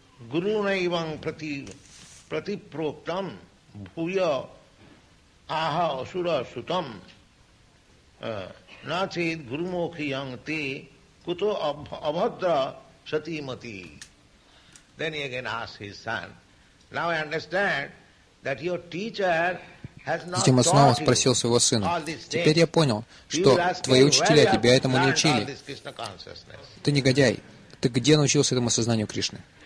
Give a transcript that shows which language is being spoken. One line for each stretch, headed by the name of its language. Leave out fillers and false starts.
Sanskrit: Гуру наивам пратипроктам бхуя аха асура сутам начет гуру мокхиям те куто абхадра сати мати.
English: Then he again asked his son. Now I understand that your teacher has not taught you all these things.
Russian: Теперь я понял, что твои учителя тебя этому не учили. Ты негодяй. Ты где научился этому сознанию Кришны?